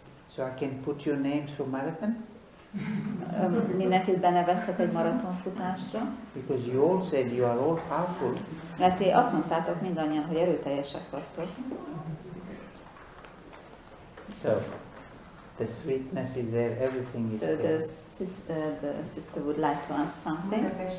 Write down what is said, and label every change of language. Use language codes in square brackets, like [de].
[en] So I can put your name for marathon? [hu] Mindenkit benevezhet egy maratonfutásra. [en] Because you all said you are all powerful. [hu] Mert ti azt mondtátok mindannyian, hogy erőteljesek vagytok. [en] So the sweetness is there, everything is so there. So the sister would like to ask something.